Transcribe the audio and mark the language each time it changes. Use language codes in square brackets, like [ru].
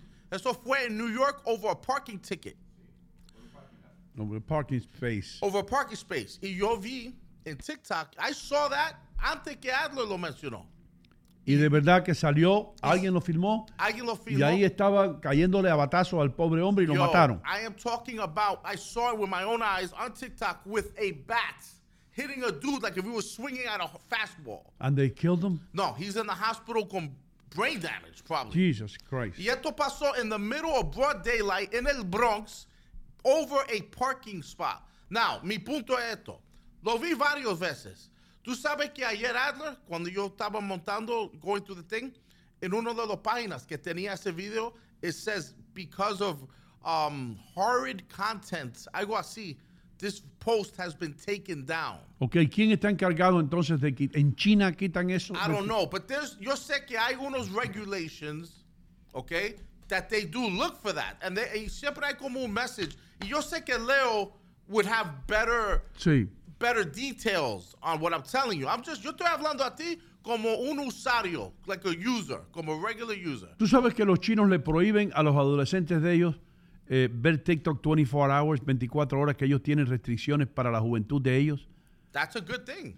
[en] Eso fue en New York over a parking ticket. Over a parking space. Over a parking space. [es] Y yo vi en TikTok, [en] I saw that [es] antes que Adler lo mencionó. Y de verdad que salió, alguien lo filmó. Alguien lo filmó. Y ahí estaba cayéndole a batazo al pobre hombre y lo mataron. [en] I am talking about, I saw it with my own eyes on TikTok with a bat. Hitting a dude like if he was swinging at a fastball. And they killed him? No, he's in the hospital con brain damage, probably. Jesus Christ. [es] Y esto pasó [en] in the middle of broad daylight in El Bronx over a parking spot. [es] Now, mi punto es esto. Lo vi varios veces. Tú sabes que ayer Adler, cuando yo estaba montando, [en] going through the thing, [es] en una de las páginas que tenía ese video, [en] it says, because of horrid content, [es] algo así, [en] this post has been taken down. [es] Okay, ¿quién está encargado entonces de que en China quitan eso? [en] I don't know, but there's, [es] yo sé que hay unos [en] regulations, okay, that they do look for that. And they, [es] y siempre hay como un message. Y yo sé que Leo [en] would have better, [es] sí, [en] better details on what I'm telling you. [es] Yo estoy hablando a ti como un usuario, [en] like a user, [es] como a regular user. ¿Tú sabes que los chinos le prohíben a los adolescentes de ellos ver TikTok [en] 24 hours, [es] 24 horas, que ellos tienen restricciones para la juventud de ellos? [en] That's a good thing.